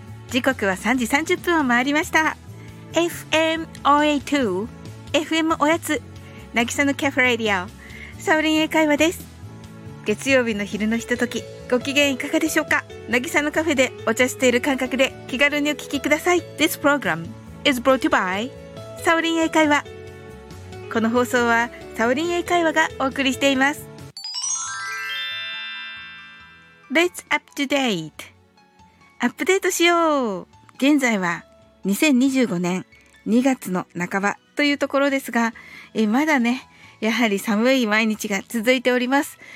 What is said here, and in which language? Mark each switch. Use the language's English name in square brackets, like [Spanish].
[Japanese] 時刻は3時30分を回りました。FM OA2 FM おやつ渚のキャフェラディオサウリン英会話です。月曜日の昼のひととき、ご機嫌いかがでしょうか。渚のカフェでお茶している感覚で気軽にお聞きください。 [English] This program is brought to you by サウリン英会話。 [Japanese] この放送はサウリン英会話がお送りしています。 [English] Let's up to date。 [Japanese] アップデートしよう。現在は2025年2月の半ばというところですが、まだね、やはり寒い毎日が続いております。